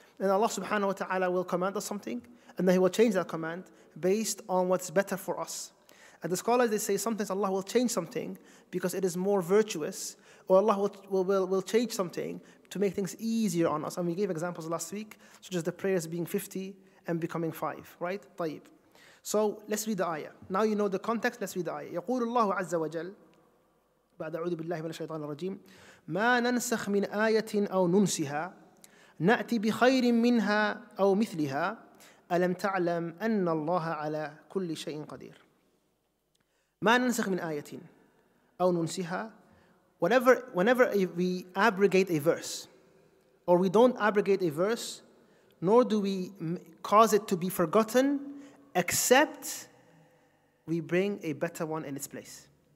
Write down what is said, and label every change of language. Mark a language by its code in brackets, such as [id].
[en] then Allah subhanahu wa ta'ala will command us something, and then He will change that command based on what's better for us. And the scholars, they say sometimes Allah will change something because it is more virtuous, or Allah will change something to make things easier on us. And we gave examples last week, such as the prayers being 50 and becoming 5, right? Tayyib. So let's read the ayah. Now you know the context, let's read the ayah. [ar] يقول الله عز وجل بعد أعوذ بالله من الشيطان الرجيم ما ننسخ من آية أو ننسها نأتي بخير منها أو مثلها ألم تعلم أن الله على كل شيء قدير. ما ننسخ من آية أو ننسها. [en] Whenever we abrogate a verse, or we don't abrogate a verse, nor do we cause it to be forgotten, except we bring a better one in its place.